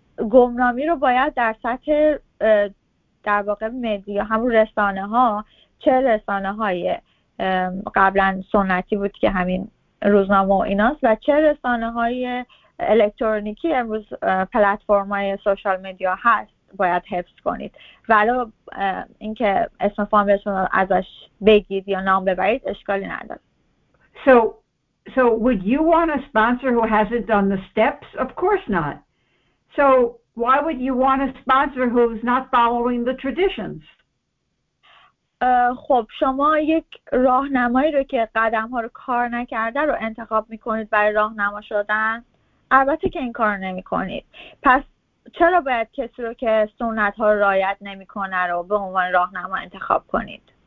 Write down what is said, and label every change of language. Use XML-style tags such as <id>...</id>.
<fa>گمنامی رو باید در سطح در واقع مدیا، همون رسانه ها، چه رسانه های قبلا سنتی بود که همین روزنامه و ایناست و چه رسانه های الکترونیکی امروز پلتفرم های سوشال مدیا هست، باید حفظ کنید. ولی اینکه اسم فامیلتون رو ازش بگید یا نام ببرید اشکالی نداره.</fa> <en>So would you want a sponsor who hasn't done the steps? Of course not. So why would you want a sponsor who's not following the traditions?</en> <fa>خب شما یک راهنمایی رو که قدم‌ها رو کار نکرده رو انتخاب می‌کنید برای راهنما شدن؟ البته که این کار رو نمی‌کنید. پس چرا باید کسی رو که سنت‌ها رو رعایت نمی‌کنه رو به عنوان راهنما انتخاب کنید؟</fa>